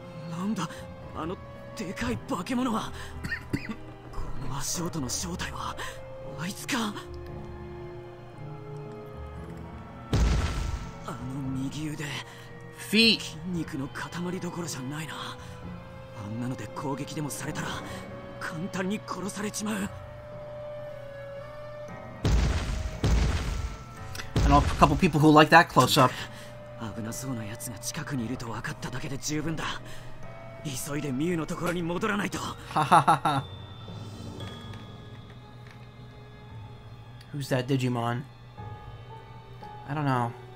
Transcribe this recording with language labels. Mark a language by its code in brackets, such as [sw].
[ja] なんだあのでかい化け物は。この足音の正体はあいつか。あの右腕、筋肉の塊どころじゃないな。あんなので攻撃でもされたら簡単に殺されちまう。 [en] I know a couple people who like that close up. [ja] 危なそうな奴が近くにいると分かっただけで十分だ。急いでミューのところに戻らないと。 [en] Who's that Digimon? I don't know.